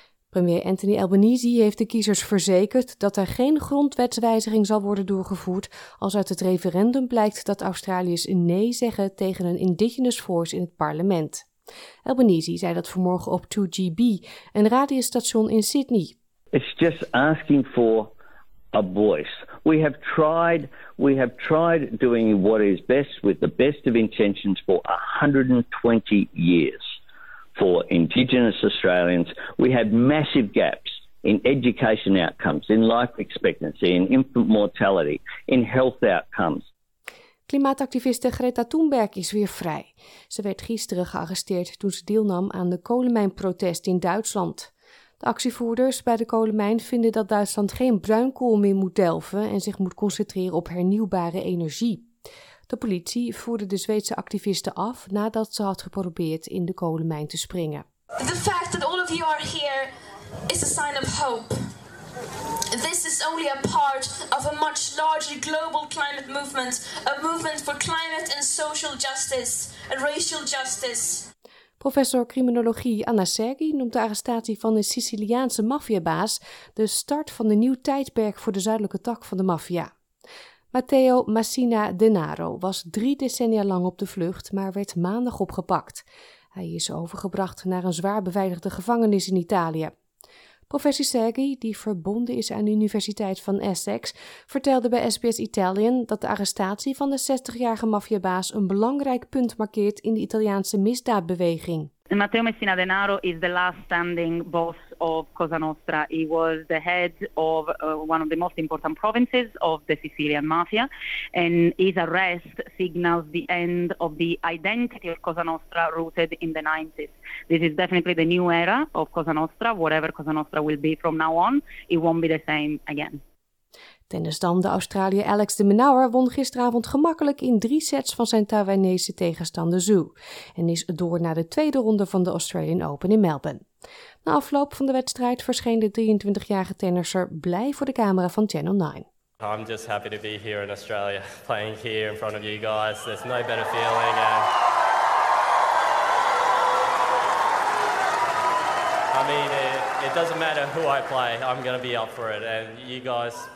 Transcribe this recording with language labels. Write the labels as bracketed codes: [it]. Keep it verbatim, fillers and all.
[nl] Premier Anthony Albanese heeft de kiezers verzekerd dat er geen grondwetswijziging zal worden doorgevoerd als uit het referendum blijkt dat Australiërs nee zeggen tegen een Indigenous Voice in het parlement. Albanese zei dat vanmorgen op two G B, een radiostation in Sydney. [en] It's just asking for a voice. We have tried, we have tried doing what is best with the best of intentions for one hundred twenty years. For Indigenous Australians, we had massive gaps in education outcomes, in life expectancy, in infant mortality, in health outcomes. [nl] Klimaatactiviste Greta Thunberg is weer vrij. Ze werd gisteren gearresteerd toen ze deelnam aan de kolenmijnprotest in Duitsland. De actievoerders bij de kolenmijn vinden dat Duitsland geen bruinkool meer moet delven en zich moet concentreren op hernieuwbare energie. De politie voerde de Zweedse activisten af nadat ze had geprobeerd in de kolenmijn te springen. [en] The fact that all of you are here is a sign of hope. This is only a part of a much larger global climate movement, a movement for climate and social justice and racial justice. [nl] Professor criminologie Anna Sergi noemt de arrestatie van een Siciliaanse maffiabaas de start van een nieuw tijdperk voor de zuidelijke tak van de maffia. Matteo Messina Denaro was drie decennia lang op de vlucht, maar werd maandag opgepakt. Hij is overgebracht naar een zwaar beveiligde gevangenis in Italië. Professor Sergi, die verbonden is aan de Universiteit van Essex, vertelde bij S B S Italian dat de arrestatie van de zestigjarige maffiabaas een belangrijk punt markeert in de Italiaanse misdaadbeweging. [en] Matteo Messina Denaro is the last standing boss of Cosa Nostra. He was the head of uh, one of the most important provinces of the Sicilian mafia, and his arrest signals the end of the identity of Cosa Nostra rooted in the nineties. This is definitely the new era of Cosa Nostra. Whatever Cosa Nostra will be from now on, it won't be the same again. [nl] Tennis dan, de Australiër Alex de Minaur won gisteravond gemakkelijk in drie sets van zijn Taiwanese tegenstander Zhu en is door naar de tweede ronde van de Australian Open in Melbourne. Na afloop van de wedstrijd verscheen de drieëntwintigjarige tennisser blij voor de camera van Channel nine. [en] I'm just happy to be here in Australia, playing here in front of you guys. There's no better feeling. And... I mean, it, it doesn't matter who I play. I'm going to be up for it, and you guys.